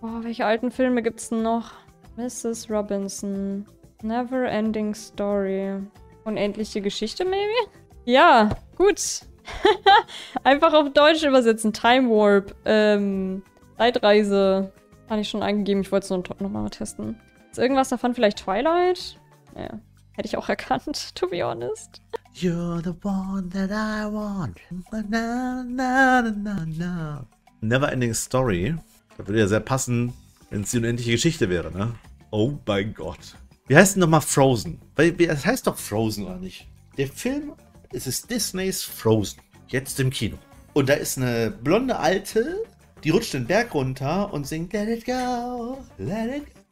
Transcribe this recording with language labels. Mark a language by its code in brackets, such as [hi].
[de] Boah, welche alten Filme gibt's denn noch? Mrs. Robinson, Never Ending Story, Unendliche Geschichte, maybe? Ja, gut. Einfach auf Deutsch übersetzen, Time Warp, Zeitreise. Hatte ich schon eingegeben, ich wollte es nochmal testen. Ist irgendwas davon vielleicht Twilight? Ja, hätte ich auch erkannt, [en] to be honest. You're the one that I want. Na, na, na, na, na. Never Ending Story. [de] Das würde ja sehr passen, wenn es die unendliche Geschichte wäre, ne? Oh mein Gott. Wie heißt denn nochmal Frozen? Das heißt doch Frozen, oder nicht? Der Film, es ist Disneys Frozen. Jetzt im Kino. Und da ist eine blonde Alte, die rutscht den Berg runter und singt Let it go, let it go.